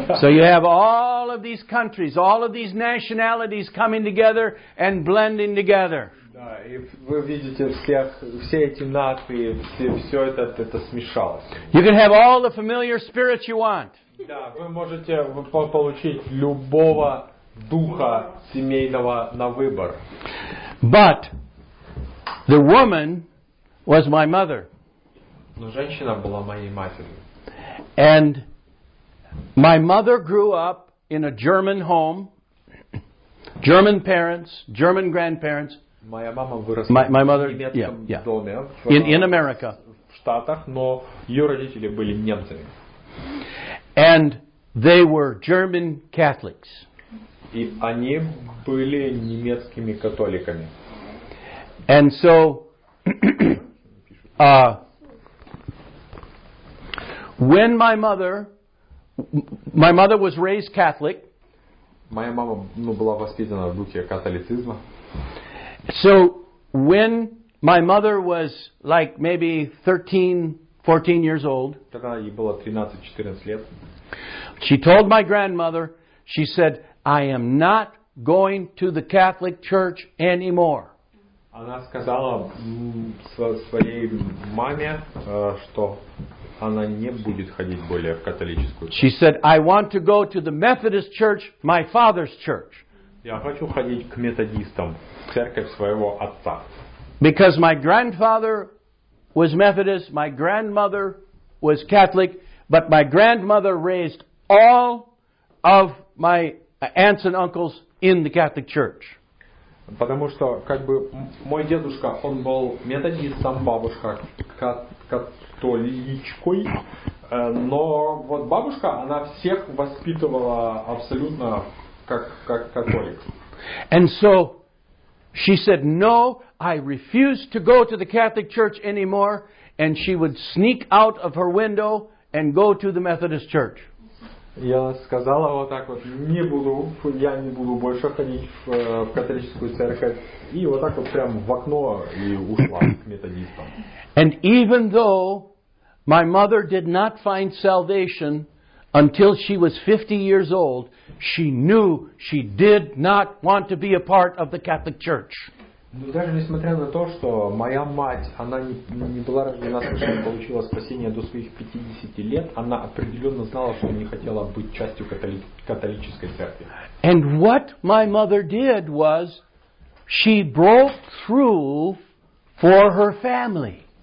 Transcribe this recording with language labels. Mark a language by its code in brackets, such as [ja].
[en] So you have all of these countries, all of these nationalities coming together and blending together. [ru] Да, и вы видите все эти нации, все это смешалось. [en] You can have all the familiar spirits you want. [ru] Да, вы можете получить любого духа семейного на выбор. [en] But the woman was my mother. [ru] Но женщина была моей матерью. [en] And my mother grew up in a German home, German parents, German grandparents. [ru] Моя мама выросла [en] my mother, [ru] в немецком доме [en] in America. [ru] В Штатах, но ее родители были немцами. [en] And they were German Catholics. [ru] И они были немецкими католиками. [en] And so when my mother was raised Catholic. [ru] Моя мама, ну, была воспитана в духе католицизма. [en] So when my mother was like maybe 13-14 years old. [ru] Когда ей было 13-14 лет. [en] She told my grandmother, she said, I am not going to the Catholic Church anymore. [ru] Она сказала своей маме, что она не будет ходить более в католическую церковь. [en] She said, I want to go to the Methodist Church, my father's church. [ru] Я хочу ходить к методистам, в церковь своего отца. [en] Because my grandfather was Methodist, my grandmother was Catholic, but my grandmother raised all of my aunts and uncles in the Catholic Church. [ru] Потому что, как бы, мой дедушка, он был методистом, бабушка католичкой, но вот бабушка, она всех воспитывала абсолютно как католик. [en] And so she said, "No, I refuse to go to the Catholic Church anymore," and she would sneak out of her window and go to the Methodist Church. [ru] Я сказала вот так вот, я не буду больше ходить в католическую церковь, и вот так вот прям в окно и ушла к методистам. [en] And even though my mother did not find salvation until she was 50 years old, she knew she did not want to be a part of the Catholic Church. [ru] Но даже несмотря на то, что моя мать, она не была рождена, не получила спасение до своих 50 лет, она определенно знала, что не хотела быть частью католической церкви. [en] And what my mother did was, she broke through for her family.